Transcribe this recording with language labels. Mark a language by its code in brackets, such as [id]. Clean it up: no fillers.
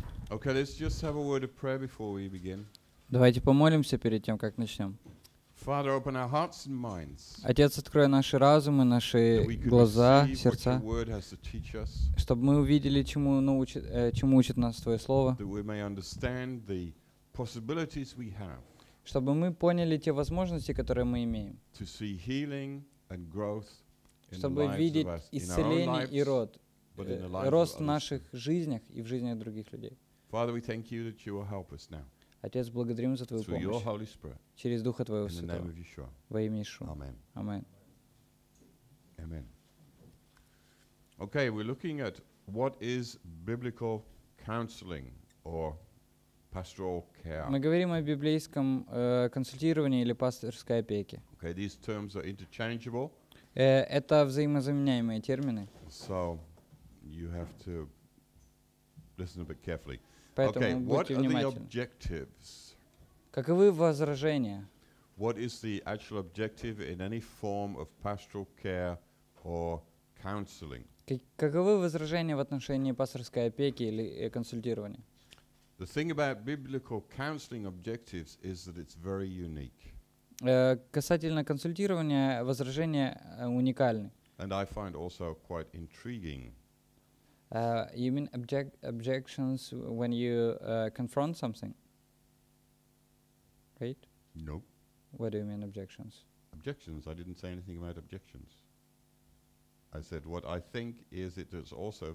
[en] Okay, let's just have a word of prayer before we begin. [ru] Давайте помолимся перед тем, как начнем. [en] Father, open our hearts and minds. [ru] Отец, открой наши разумы, наши глаза, сердца, чтобы мы увидели, чему учит нас Твое Слово. [en] That we may understand the possibilities we have. [ru] Чтобы мы поняли те возможности, которые мы имеем. [en] To see healing and growth in [ru] чтобы [en] the lives [ru] видеть [en] of us, [ru] исцеление [en] in our own lives, [ru] и рост в наших жизнях и в жизнях других людей. [en] Father, we thank you that you will help us now. [ru] Отец, благодарим за Твою [en] Through [ru] помощь. [en] Your Holy Spirit, [ru] через Духа Твоего Святого. Во имя Иешуа. [en] Amen. Amen. Amen. Okay, we're looking at what is biblical counseling or pastoral care. [ru] Мы говорим о библейском консультировании или пасторской опеке. [en] Okay, these terms are interchangeable. [ru] Это взаимозаменяемые термины. [en] So you have to listen a bit carefully. [ru] Поэтому okay, будьте [en] what [ru] внимательны. [en] Are the objectives? [ru] Каковы возражения? [en] What is the actual objective in any form of pastoral care or counseling? [ru] Каковы возражения в отношении пасторской опеки или консультирования? [en] The thing about biblical counseling objectives is that it's very unique. [ru] Касательно консультирования, возражения уникальны. [en] And I find also quite intriguing. You mean objections when you confront something, right? No. What do you mean objections? Objections. I didn't say anything about objections. I said what I think is it is also